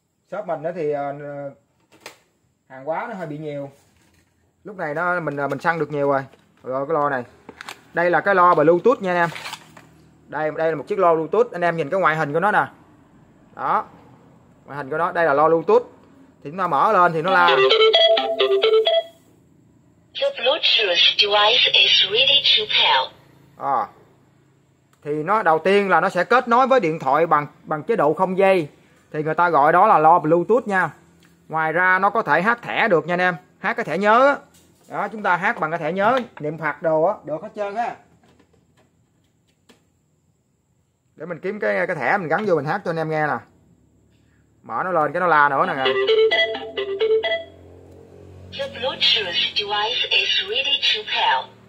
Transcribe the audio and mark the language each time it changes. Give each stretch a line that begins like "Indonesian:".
Vietnamese: Shop mình thì hàng quá nó hơi bị nhiều. Lúc này nó mình săn được nhiều rồi. Rồi cái lo này. Đây là cái lo Bluetooth nha anh em. Đây là một chiếc lo Bluetooth. Anh em nhìn cái ngoại hình của nó nè. Đó. Ngoại hình của nó. Đây là lo Bluetooth. Thì chúng ta mở lên thì nó la.
English: The Bluetooth device is ready to pair. À.
Vietnamese: Thì nó đầu tiên là nó sẽ kết nối với điện thoại bằng chế độ không dây. Thì người ta gọi đó là lo Bluetooth nha. Ngoài ra nó có thể hát thẻ được nha anh em. Hát cái thẻ nhớ á. Đó, chúng ta hát bằng cái thẻ nhớ, niệm Phật đồ á, được hết trơn á. Để mình kiếm cái thẻ mình gắn vô mình hát cho anh em nghe nè. Mở nó lên cái nó la nữa nè.
English: The Bluetooth device is ready to pair.